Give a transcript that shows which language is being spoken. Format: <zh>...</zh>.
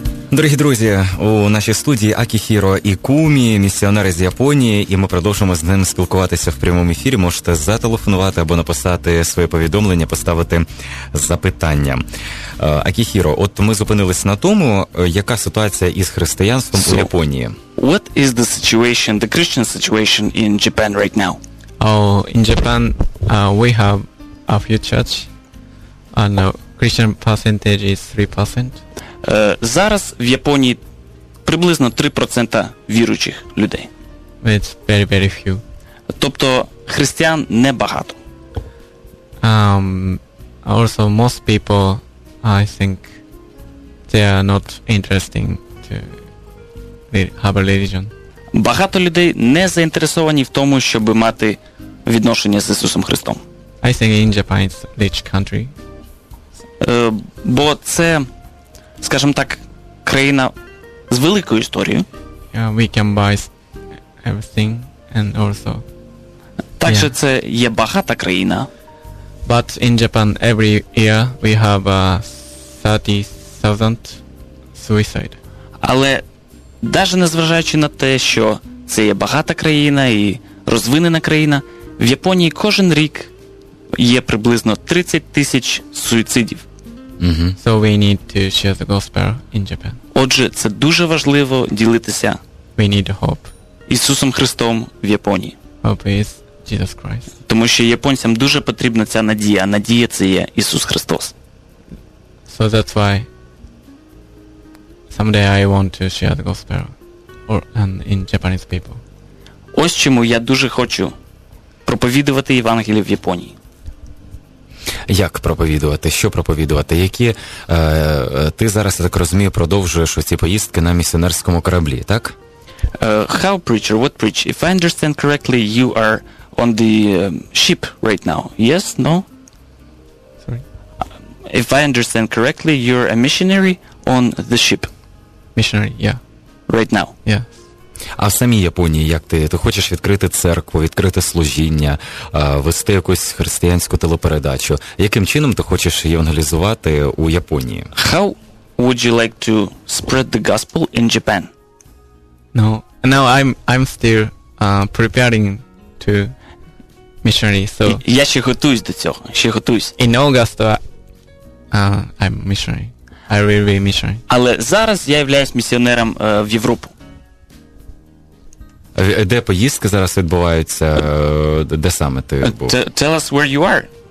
<uk>Дорогі друзі, у нашій студії Акіхіро і Кумі, місіонери з Японії, і ми продовжимо з ним спілкуватися в прямому ефірі. Можете зателефонувати або написати своє повідомлення, поставити запитання. Акіхіро, от ми зупинилися на тому, яка ситуація із християнством у Японії.</uk> <en>What is the situation, the Christian situation in Japan right now? Oh, in Japan, we have a few church. And Christian percentage is 3%.</en> <uk>Зараз в Японії приблизно 3% віруючих людей.</uk> <en>It's very, very few.</en> <uk>Тобто християн небагато.</uk> <en>Also most people, I think, they are not interesting to have a religion.</en> <uk>Багато людей не заінтересовані в тому, щоб мати відношення з Ісусом Христом.</uk> <en>I think in Japan it's a rich country.</en> <uk>Бо це, скажімо так, країна з великою історією.</uk> <en>Yeah, we can buy everything and also.</en> <uk>Так що це є багата країна.</uk> <en>But in Japan every year we have 30,000 suicide.</en> <uk>Але навіть незважаючи на те, що це є багата країна і розвинена країна, в Японії кожен рік є приблизно 30 тисяч суїцидів. Mm-hmm.</uk> <en>So we need to share the gospel in Japan.</en> <uk>Отже, це дуже важливо ділитися.</uk> <en>We need hope.</en> <uk>Ісусом Христом в Японії.</uk> <en>Hope is Jesus Christ.</en> <uk>Тому що японцям дуже потрібна ця надія. Надія – це є Ісус Христос.</uk> <en>So that's why someday I want to share the gospel or and in Japanese people.</en> <uk>Ось чому я дуже хочу проповідувати Євангеліє в Японії. Як проповідувати? Що проповідувати? Які, ти зараз, так розумію, продовжуєш оці поїздки на місіонерському кораблі, так?</uk> <en>How preach or what preach? If I understand correctly, you are on the ship right now. Yes? No? Sorry? If I understand correctly, you're a missionary on the ship. Missionary, yeah. Right now? Yes.</en> <uk>А в самій Японії, як ти хочеш відкрити церкву, відкрити служіння, вести якусь християнську телепередачу? Яким чином ти хочеш євангелізувати у Японії?</uk> <en>How would you like to spread the gospel in Japan? No, no, I'm still preparing to missionary, so...</en> <uk>Я ще готуюсь до цього, ще готуюсь.</uk> <en>In August, I'm missionary. I will be missionary.</en> <uk>Але зараз я являюсь місіонером в Європу. Де поїздки зараз відбуваються? Де саме ти був?</uk> <en>Tell us where you are.</en>